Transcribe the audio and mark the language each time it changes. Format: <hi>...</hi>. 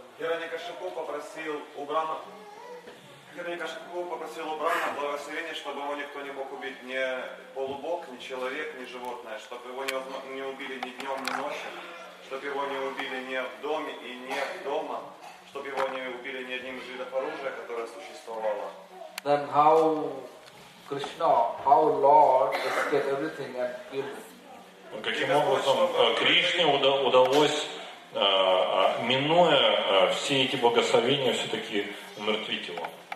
<ru>Хираньякашипу попросил у Брахмы благословение, чтобы его никто не мог убить. Ни полубог, ни человек, ни животное. Чтобы его не убили ни днем, ни ночью. Чтобы его не убили ни в доме и ни дома. Чтобы его не убили ни одним из видов оружия, которое существовало.</ru> <en>Then how... Krishna, how Lord escaped everything and kills?</en> <ru>Каким образом Кришне удалось, минуя все эти благословения, все-таки умертвить его?</ru>